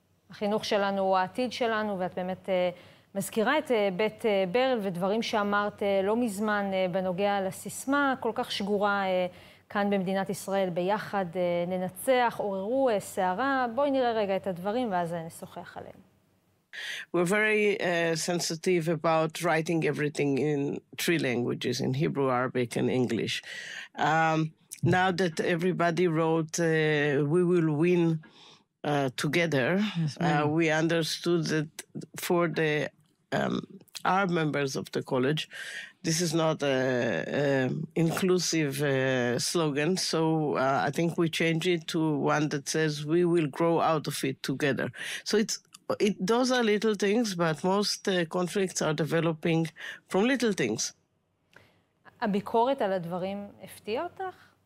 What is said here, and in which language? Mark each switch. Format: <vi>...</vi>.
<he>החינוך שלנו הוא העתיד שלנו, ואת באמת מזכירה את בית ברל ודברים שאמרת לא מזמן בנוגע לסיסמה כל כך שגורה כאן במדינת ישראל, ביחד ננצח, עוררו שערה. בואי נראה רגע את הדברים ואז נשוחח עליהם.</he> <en>We're very sensitive about writing everything in three languages, in Hebrew, Arabic and English. Now that everybody wrote we will win together, we understood that for the our members of the college, this is not an inclusive slogan. So I think we change it to one that says we will grow out of it together. So those are little things, but most conflicts are developing from little things.</en> <he>הביקורת על הדברים הפתיע אותך?</he>